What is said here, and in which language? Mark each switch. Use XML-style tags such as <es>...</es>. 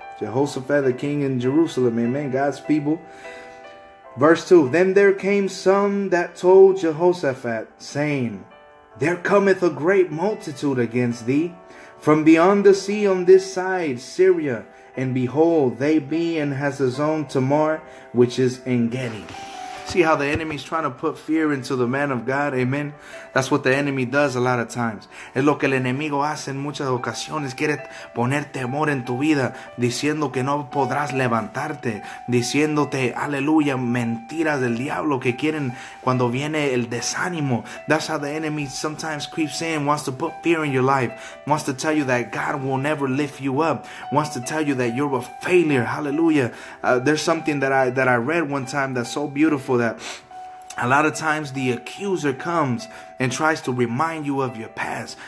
<en>Jehoshaphat, the king in Jerusalem, amen, God's people. Verse 2, then there came some that told Jehoshaphat, saying, there cometh a great multitude against thee from beyond the sea on this side, Syria. And behold, they be in Hazazon Tamar, which is in Gedi. See how the enemy's trying to put fear into the man of God, amen? That's what the enemy does a lot of times.</en> <es>Es lo que el enemigo hace en muchas ocasiones. Quiere poner temor en tu vida, diciendo que no podrás levantarte, diciéndote, aleluya, mentiras del diablo que quieren cuando viene el desánimo.</es> <en>That's how the enemy sometimes creeps in, wants to put fear in your life, wants to tell you that God will never lift you up, wants to tell you that you're a failure, hallelujah. There's something that I read one time that's so beautiful that a lot of times the accuser comes and tries to remind you of your past.</en>